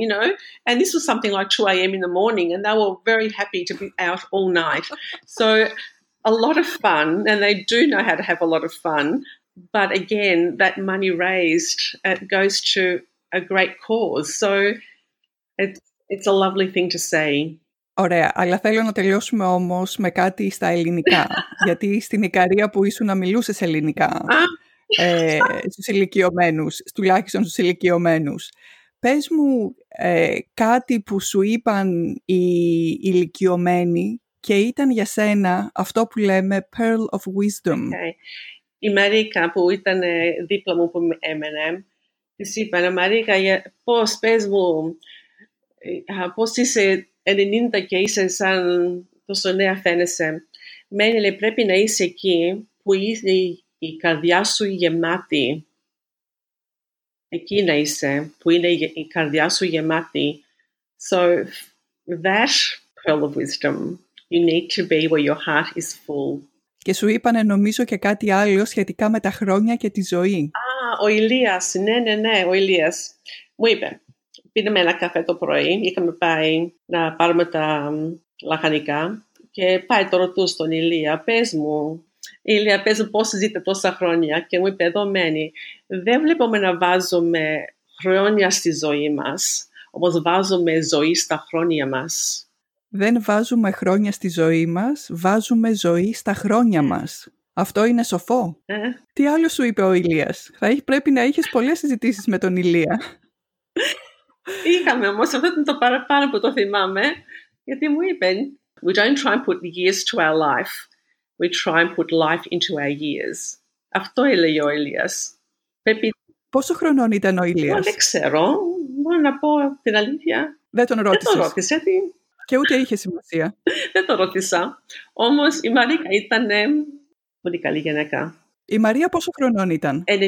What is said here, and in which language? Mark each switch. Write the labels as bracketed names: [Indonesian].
[English] You know, and this was something like 2 a.m. in the morning, and they were very happy to be out all night. So a lot of fun, and they do know how to have a lot of fun. But again, that money raised goes to a great cause. So it's a lovely thing to say. [Greek] Ωραία, αλλά θέλω να τελειώσουμε όμως με κάτι στα ελληνικά. Γιατί στην Ικαρία που ήσουν να μιλούσες ελληνικά. στους ηλικιωμένους, τουλάχιστον στους ηλικιωμένους. Πες μου κάτι που σου είπαν οι ηλικιωμένοι και ήταν για σένα αυτό που λέμε [English] pearl of wisdom. [Greek] Okay. Η Μαρίκα που ήταν δίπλα μου που έμενε, της είπα, Μαρίκα, πες μου, πώς είσαι 90 και είσαι σαν τόσο νέα φαίνεσαι. Μένει, λέει, πρέπει να είσαι εκεί που είσαι η καρδιά σου γεμάτη, εκεί να είσαι, που είναι η καρδιά σου γεμάτη. [English] So that pearl of wisdom, you need to be where your heart is full. [Greek] Και σου είπανε νομίζω και κάτι άλλο σχετικά με τα χρόνια και τη ζωή. Α, ο Ηλίας, ναι, ο Ηλίας. Μου είπε, πήραμε ένα καφέ το πρωί, είχαμε πάει να πάρουμε τα λαχανικά και πάει το ρωτού στον Ηλία, πες μου, Ηλία, πες μου πώς ζείτε τόσα χρόνια. Και μου είπε, εδώ μένει, δεν βλέπουμε να βάζουμε χρόνια στη ζωή μας, όμως βάζουμε ζωή στα χρόνια μας. Δεν βάζουμε χρόνια στη ζωή μας, βάζουμε ζωή στα χρόνια μας. Αυτό είναι σοφό. Τι άλλο σου είπε ο Ηλίας? Θα πρέπει να είχες πολλές συζητήσεις με τον Ηλία. Είχαμε όμως, αυτό ήταν το παραπάνω που το θυμάμαι, γιατί μου είπε, [English] we don't try and put years to our life. We try and put life into our years. [Greek] Αυτό έλεγε ο Ηλίας. Πόσο χρονών ήταν ο Ηλίας? Δεν ξέρω. Μπορώ να πω την αλήθεια. Δεν τον ρώτησες. Δεν τον ρώτησα. Και ούτε είχε σημασία. Δεν τον ρώτησα. Όμως η Μαρίκα ήταν πολύ καλή γυναίκα. Η Μαρία πόσο χρονών ήταν?